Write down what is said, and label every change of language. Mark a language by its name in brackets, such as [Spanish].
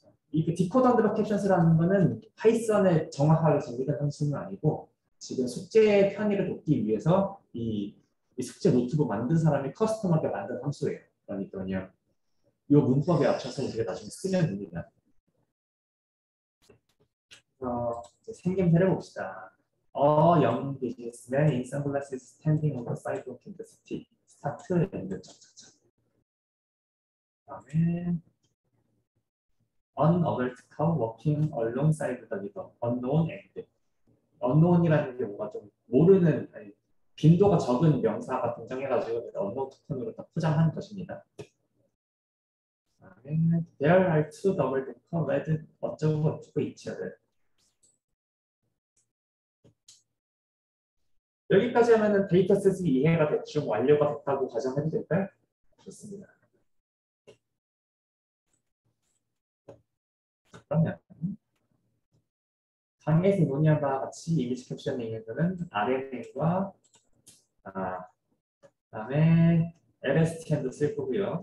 [Korean] 이 디코드 언더 캡션스라는 거는 파이썬에 정확하게 정리된 함수는 아니고 지금 숙제 편의를 돕기 위해서 이 숙제 노트북 만든 사람이 커스텀하게 만든 함수예요. 그러니까요. 이 문법에 맞춰서 우리가 나중에 쓰면 됩니다. 이제 생김새를 봅시다. [English] A young businessman in sunglasses standing on the sidewalk in the city. [Korean] 스타트 엔드 점점점. 다음에 [English] An adult car walking alongside the river. Unknown end. [Korean] Unknown이라는 게 뭔가 좀 모르는 아니, 빈도가 적은 명사가 등장해가지고 언어 토큰으로 다 포장한 것입니다. [English] There are two double decker red [Korean] 어쩌고 어쩌고 있죠. 여기까지 하면은 데이터셋이 이해가 대충 완료가 됐다고 가정해도 될까요? 좋습니다. 그러면 강에서 논의한 바와 같이 이미지 캡션링에서는 RNN과 그다음에 LSTM도 쓸 거고요.